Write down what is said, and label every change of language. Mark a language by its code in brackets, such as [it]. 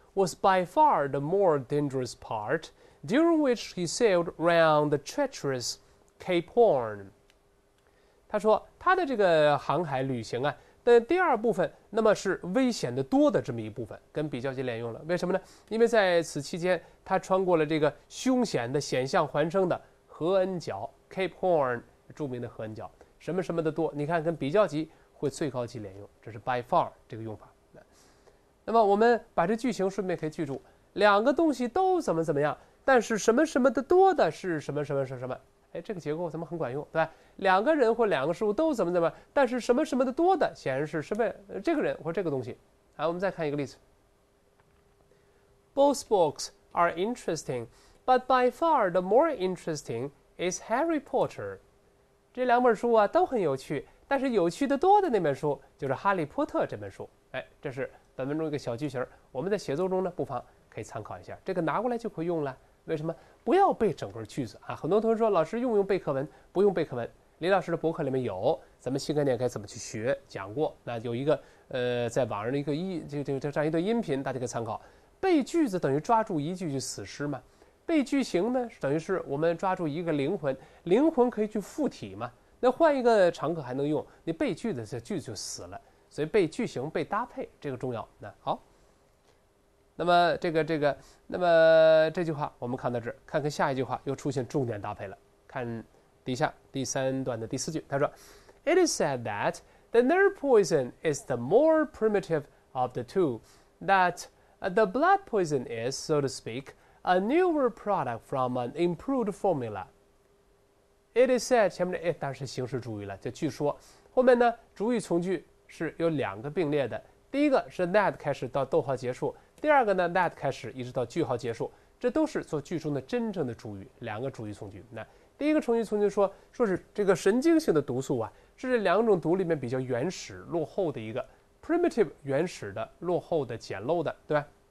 [en] was by far the more dangerous part, during which he sailed round the treacherous Cape Horn. [zh] 他说他的这个航海旅行啊，但第二部分那么是危险的多的这么一部分，跟比较接连用了。为什么呢？因为在此期间他穿过了这个凶险的险象环生的河恩角 Cape Horn， 著名的河恩角，什么什么的多，你看跟比较级会最高级连用，这是 by far 这个用法。那么我们把这句型顺便可以记住，两个东西都怎么怎么样，但是什么什么的多的是什么什么什么什么，哎，这个结构怎么很管用，对吧？两个人或两个事物都怎么怎么，但是什么什么的多的显然是什么、这个人或这个东西。来，我们再看一个例子。 [en] Both books are interesting, but by far the more interesting is Harry Potter. [zh] 这两本书啊都很有趣，但是有趣的多的那本书就是哈利波特这本书。哎，这是本文中一个小句型，我们在写作中呢不妨可以参考一下，这个拿过来就可以用了。为什么不要背整个句子啊？很多同学说，老师用不用背课文？不用背课文，李老师的博客里面有咱们新概念该怎么去学讲过，那有一个在网上的一个这样一段音频，大家可以参考。背句子等于抓住一句去死尸嘛，背句型呢等于是我们抓住一个灵魂，灵魂可以去附体嘛，那换一个场合还能用，你背句子这句子就死了，所以背句型背搭配这个重要。那好，那么那么这句话我们看到这，看看下一句话又出现重点搭配了。看底下第三段的第四句，他说 ：“ [en] It is said that the nerve poison is the more primitive of the two, that the blood poison is, so to speak, a newer product from an improved formula.” [zh] It is said 前面的 it 当然是形式主语了，就据说。后面呢，主语从句是有两个并列的，第一个是 that 开始到逗号结束。第二个呢 ，that 开始一直到句号结束，这都是做句中的真正的主语，两个主语从句。那第一个从句从句说是这个神经性的毒素啊，是这两种毒里面比较原始落后的一个 primitive 原始的落后的简陋的，对吧？